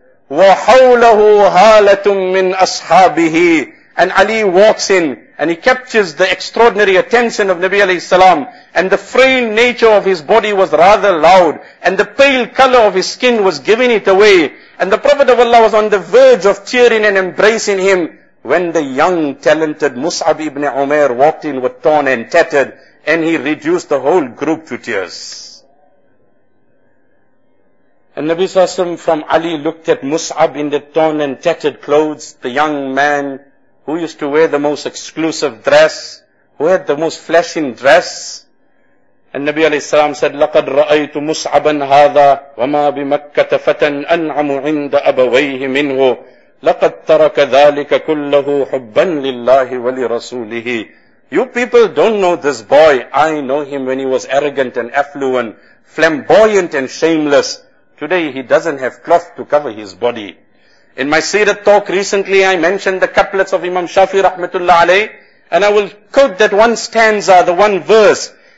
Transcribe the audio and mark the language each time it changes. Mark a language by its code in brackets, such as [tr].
[ar] وَحَوْلَهُ هَالَةٌ مِّنْ أَصْحَابِهِ [en] And Ali walks in and he captures the extraordinary attention of Nabi alayhi salam and the frail nature of his body was rather loud and the pale color of his skin was giving it away and the Prophet of Allah was on the verge of tearing and embracing him when the young talented Mus'ab ibn Umair walked in with torn and tattered and he reduced the whole group to tears. And Nabi sallallahu alayhi wa sallam from Ali looked at Mus'ab in the torn and tattered clothes, the young man who used to wear the most exclusive dress, who had the most flashing dress. And Nabi alayhi sallam said, [ar] لَقَدْ رَأَيْتُ مُسْعَبًا هَذَا وَمَا بِمَكَّةَ فَتَنْ أَنْعَمُ عِنْدَ أَبَوَيْهِ مِنْهُ لَقَدْ تَرَكَ ذَلِكَ كُلَّهُ حُبًّا لِلَّهِ وَلِرَسُولِهِ [en] You people don't know this boy. I know him when he was arrogant and affluent, flamboyant and shameless. Today he doesn't have cloth to cover his body. In my Seerah talk recently, I mentioned the couplets of Imam Shafi rahmatullah alayh, and I will quote that one stanza, the one verse.